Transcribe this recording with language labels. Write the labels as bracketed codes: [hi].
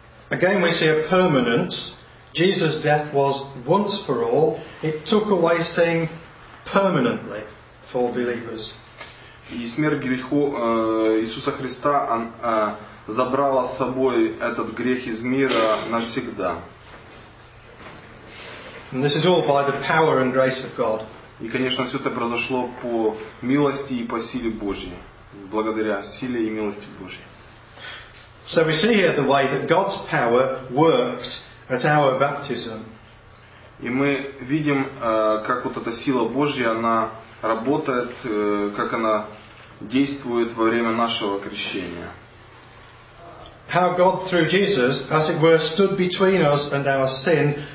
[en] Again we see a permanence. Jesus' death was once for all. It took away sin permanently for believers. [ru] И смерть греху Иисуса Христа забрала с собой этот грех из мира навсегда. [en] And this is all by the power and grace of God. [ru] И, конечно, все это произошло по милости и по силе Божьей. Благодаря силе и милости Божьей. [en] So we see here the way that God's power worked at our baptism. [ru] И мы видим, как вот эта сила Божья, она работает, как она действует во время нашего крещения. [en] How God through Jesus, as it were, stood between us and our sin,